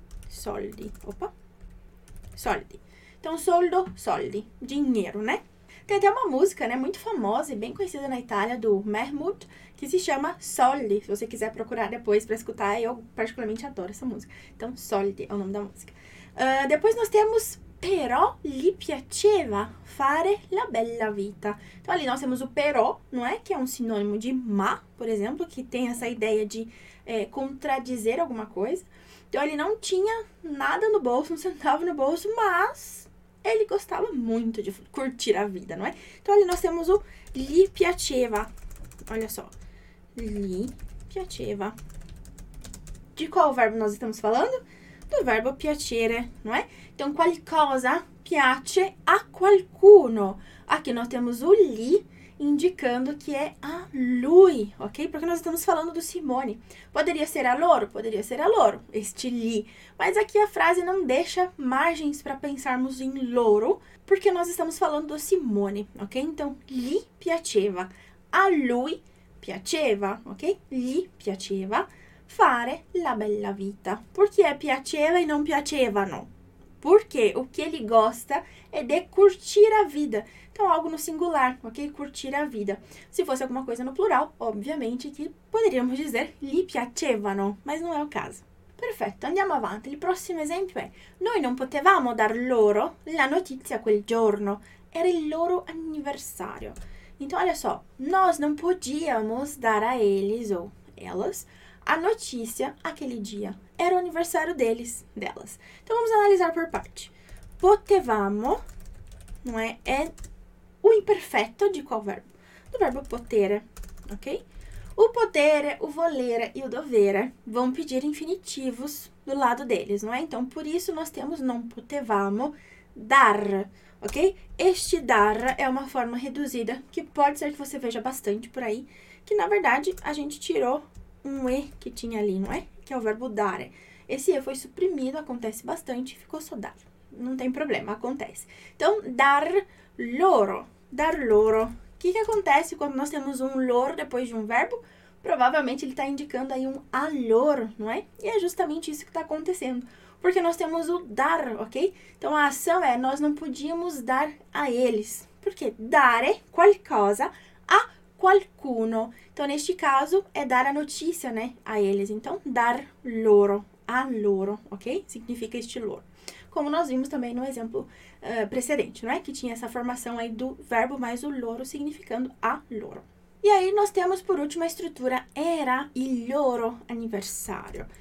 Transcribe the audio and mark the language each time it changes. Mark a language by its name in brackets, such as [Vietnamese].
[Portuguese] Soldi, opa, soldi. Então, soldo, soldi, dinheiro, né? Tem até uma música, né, muito famosa e bem conhecida na Itália, do Mahmood, que se chama Soldi. Se você quiser procurar depois para escutar, eu particularmente adoro essa música. Então, Soldi é o nome da música. Depois nós temos [Italian] Però gli piaceva fare la bella vita. [Portuguese] Então, ali nós temos o però, não é? Que é um sinônimo de ma, por exemplo, que tem essa ideia de contradizer alguma coisa. Então, ele não tinha nada no bolso, um centavo no bolso, mas ele gostava muito de curtir a vida, não é? Então, ali nós temos o gli piaceva. Olha só. Gli piaceva. De qual verbo nós estamos falando? Do verbo piacere, não é? [Italian] Então, qualcosa piace a qualcuno. [Portuguese] Aqui nós temos o gli indicando que é a lui, ok? Porque nós estamos falando do Simone. Poderia ser a loro? Poderia ser a loro, este gli. Mas aqui a frase não deixa margens para pensarmos em loro, porque nós estamos falando do Simone, ok? [Italian] Então, gli piaceva, a lui piaceva, ok? Gli piaceva Fare la bella vita, perché piaceva e non piacevano, [Portuguese] perché o que ele gosta é de curtir a vida, então algo no singular, ok? Curtir a vida. Se fosse alguma coisa no plural, obviamente que poderíamos dizer [Italian] lhe piacevano, [Portuguese] mas não é o caso. [Italian] Perfetto, andiamo avanti. Il prossimo esempio è: noi non potevamo dar loro la notizia quel giorno, era il loro anniversario. [Portuguese] Então, olha só, nós não podíamos dar a eles ou elas a notícia aquele dia. Era o aniversário deles, delas. Então vamos analisar por parte. Potevamo, não é? É o imperfetto de qual verbo? Do verbo potere, ok? O potere, o volere e o dovere vão pedir infinitivos do lado deles, não é? Então por isso nós temos não potevamo dar, ok? Este dar é uma forma reduzida que pode ser que você veja bastante por aí, que na verdade a gente tirou um E que tinha ali, não é? Que é o verbo dare. Esse E foi suprimido, acontece bastante, ficou só dar. Não tem problema, acontece. Então, dar loro. Dar loro. O que que acontece quando nós temos um loro depois de um verbo? Provavelmente ele está indicando aí um a loro, não é? E é justamente isso que está acontecendo. Porque nós temos o dar, ok? Então, a ação é nós não podíamos dar a eles. [Italian] Porque dare qualcosa a qualcuno. [Portuguese] Então, neste caso, é dar a notícia, né, a eles. Então, dar loro, a loro, ok? Significa este loro. Como nós vimos também no exemplo precedente, não é? Que tinha essa formação aí do verbo mais o loro significando a loro. E aí, nós temos por último a estrutura [Italian] era il loro aniversario.